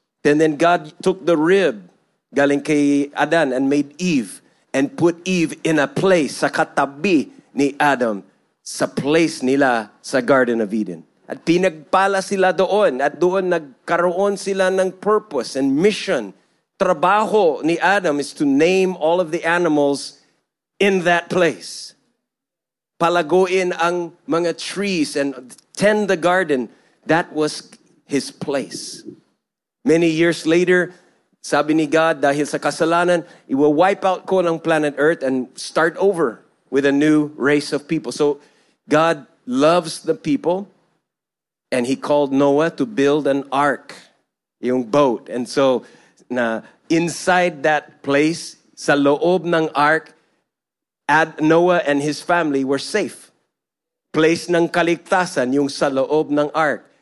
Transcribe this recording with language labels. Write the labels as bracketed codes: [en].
[en] And then God took the rib [tl] galing kay Adan [en] and made Eve and put Eve in a place, [tl] sa katabi ni Adam, sa place nila sa [en] Garden of Eden. [tl] At pinagpala sila doon at doon nagkaroon sila ng purpose and mission. Trabaho ni Adam [en] is to name all of the animals in that place. [tl] Palaguin ang mga trees and tend the garden. [en] That was his place. Many years later, [tl] sabi ni God, dahil sa kasalanan, [en] I will wipe out ko ng planet Earth and start over with a new race of people. So God loves the people. And he called Noah to build an ark, [tl] yung boat. [en] And so, na inside that place, [tl] sa loob ng ark, [en] Noah and his family were safe. [tl] Place ng kaligtasan, yung sa loob ng ark.